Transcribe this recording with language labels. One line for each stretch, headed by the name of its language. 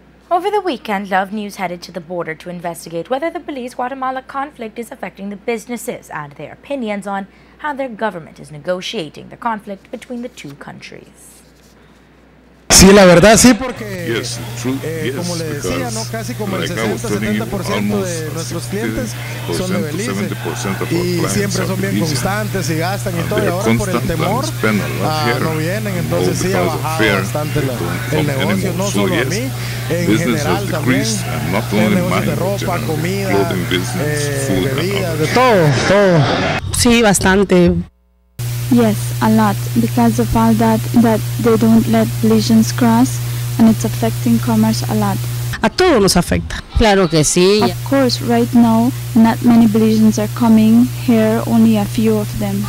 English: Over the weekend, Love News headed to the border to investigate whether the Belize-Guatemala conflict is affecting the businesses and their opinions on how their government is negotiating the conflict between the two countries.
Spanish: Sí, la verdad, sí, porque
English: yes, true, yes,
Spanish: como le decía, ¿no? Casi como el 60-70% de nuestros clientes son de Belice y siempre son bien constantes y gastan y todo, y ahora por el temor no vienen, entonces sí ha bajado bastante el negocio, no solo a mí, en general también, el negocio de ropa, comida, bebidas, de todo, todo. Sí, bastante.
English: Yes, a lot, because of all that they don't let Belizeans cross, and it's affecting commerce a lot.
Spanish: A todos nos afecta. Claro que sí.
English: Of course, right now, not many Belizeans are coming here, only a few of them.